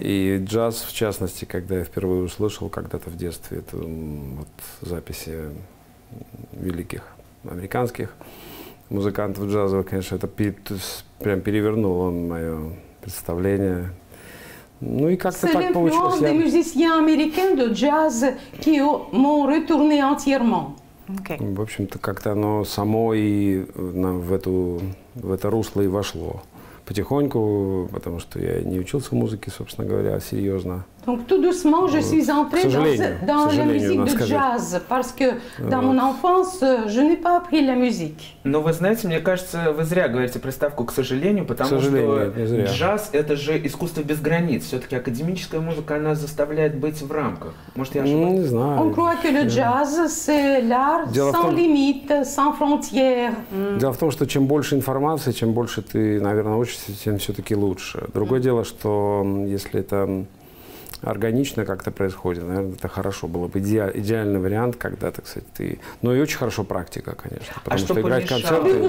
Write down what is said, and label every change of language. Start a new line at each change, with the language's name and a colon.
Russian: И джаз, в частности, когда я впервые услышал когда-то в детстве, это вот записи великих американских музыкантов джазовых, конечно, это прям перевернуло мое представление. Ну и как-то так получилось.
French: C'est l'influence des musiciens américains de jazz qui m'ont retourné entièrement.
English: Okay.
Russian: В общем-то, как-то оно само и в это русло и вошло. Потихоньку, потому что я не учился музыке, собственно говоря, серьезно.
French: Donc tout doucement, je suis entrée dans la musique de jazz, parce que dans mon enfance, je n'ai pas appris la musique.
Russian: Но вы знаете, мне кажется, вы зря говорите приставку «к сожалению», потому что джаз – это же искусство без границ. Все-таки академическая музыка, она заставляет быть в рамках. Может, я ошибаюсь? Не знаю. Он
French: croit que le jazz, c'est l'art sans limite, sans frontière.
Russian: Дело в том, что чем больше информации, чем больше ты, наверное, учишься, тем все-таки лучше. Другое дело, что если это органично как-то происходит. Наверное, это хорошо было бы. Идеальный вариант, когда, так сказать, ты... Ну и очень хорошо практика, конечно. Потому что играть концерты...